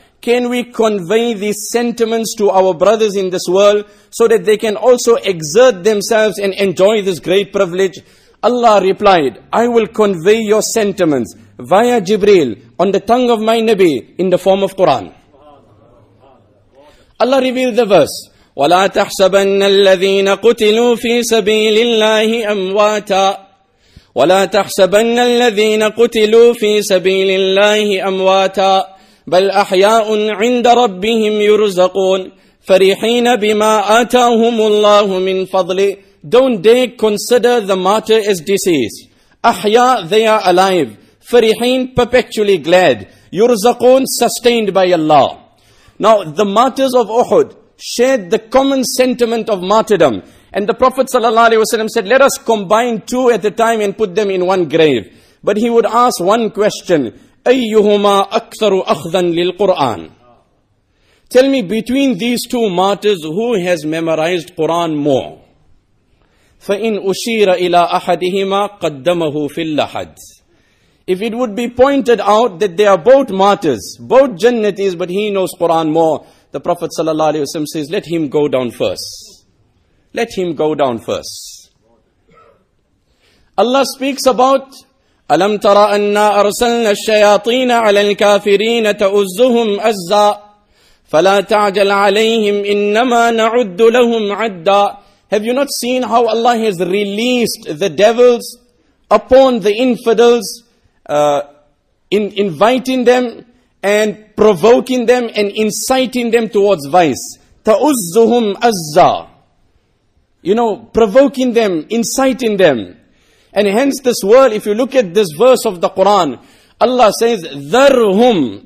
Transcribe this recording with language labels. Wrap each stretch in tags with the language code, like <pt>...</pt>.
<en>Can we convey these sentiments to our brothers in this world so that they can also exert themselves and enjoy this great privilege? Allah replied, I will convey your sentiments via Jibreel on the tongue of my Nabi in the form of Quran. Allah revealed the verse,</en> <ar>وَلَا تَحْسَبَنَّ الَّذِينَ قُتِلُوا فِي سَبِيلِ اللَّهِ أَمْوَاتًا وَلَا تَحْسَبَنَّ الَّذِينَ قُتِلُوا فِي سَبِيلِ اللَّهِ أَمْوَاتًا بَلْ أَحْيَاءٌ عِنْدَ رَبِّهِمْ يُرْزَقُونَ فَرِحِينَ بِمَا آتَاهُمُ اللَّهُ مِنْ فَضْلِ.</ar> <en>Don't they consider the martyr as deceased? أحياء, they are alive. فَرِحِين, perpetually glad. يُرْزَقُون, sustained by Allah. Now, the martyrs of Uhud shared the common sentiment of martyrdom. And the Prophet ﷺ said, let us combine two at a time and put them in one grave. But he would ask one question,</en> <ar>أَيُّهُمَا أَكْثَرُ أَخْذًا لِلْقُرْآنِ.</ar> <en>Tell me, between these two martyrs, who has memorized Quran more?</en> <ar>فَإِنْ أُشِيرَ إِلَىٰ أَحَدِهِمَا قَدَّمَهُ فِي اللَّحَدِ.</ar> <en>If it would be pointed out that they are both martyrs, both jannatis, but he knows Quran more, the Prophet ﷺ says, let him go down first. Let him go down first. Allah speaks about,</en> <ar>أَلَمْ تَرَ أَنَّا أَرْسَلْنَا الشَّيَاطِينَ عَلَى الْكَافِرِينَ تَأُزُّهُمْ أَزَّا فَلَا تَعْجَلْ عَلَيْهِمْ إِنَّمَا نَعُدُّ لَهُمْ عَدَّا.</ar> <en>Have you not seen how Allah has released the devils upon the infidels, inviting them and provoking them and inciting them towards vice?</en> <ar>تَأُزُّهُمْ أَزَّا.</ar> <en>You know, provoking them, inciting them. And hence this word, if you look at this verse of the Quran, Allah says, ذَرْهُمْ.</en>